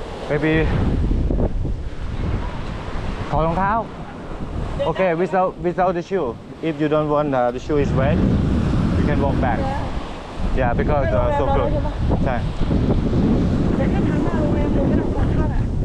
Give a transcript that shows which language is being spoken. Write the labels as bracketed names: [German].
[English] Maybe [Thai] ถอดรองเท้า [English] Okay, without the shoe. If you don't want the shoe is wet, you can walk back. Yeah, because so close. Okay. [Thai] แต่ถ้าถามว่าโรงแรมไม่ต้องรองเท้าแหละ